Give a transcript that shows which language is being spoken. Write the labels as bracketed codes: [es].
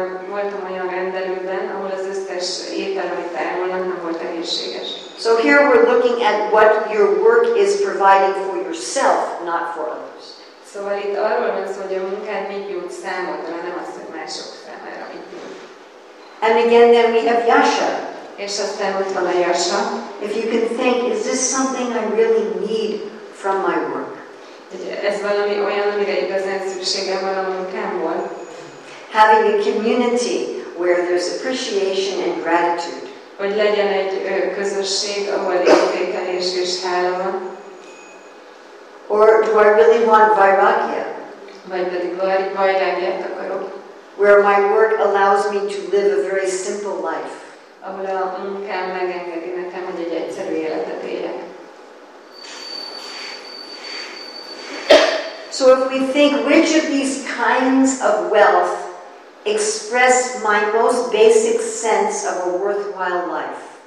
[hu] Voltam olyan rendelőben, ahol az összes étel, amit elmondanak, nem volt egészséges. [en] So here we're looking at what your work is providing for yourself, not for others. [hu] Szóval itt arról van szó, hogy a munkád mit jut számodra, nem azt, hogy mások számára mit jut. [en] And again then we have Yasha. [hu] És aztán ott van a Yasha. [en] If you can think, is this something I really need from my work? [hu] Ez valami olyan, amire igazán szükségem van a munkámból. [en] Having a community where there's appreciation and gratitude. [hu] Hogy legyen egy közösség, ahol értékelés és hála van. [en] Or do I really want vairagya? [hu] Vagy pedig vairagyát akarok. [en] Where my work allows me to live a very simple life. [hu] Ahol a munkám megengedi nekem, hogy egy egyszerű életet éljek. [en] So if we think which of these kinds of wealth express my most basic sense of a worthwhile life.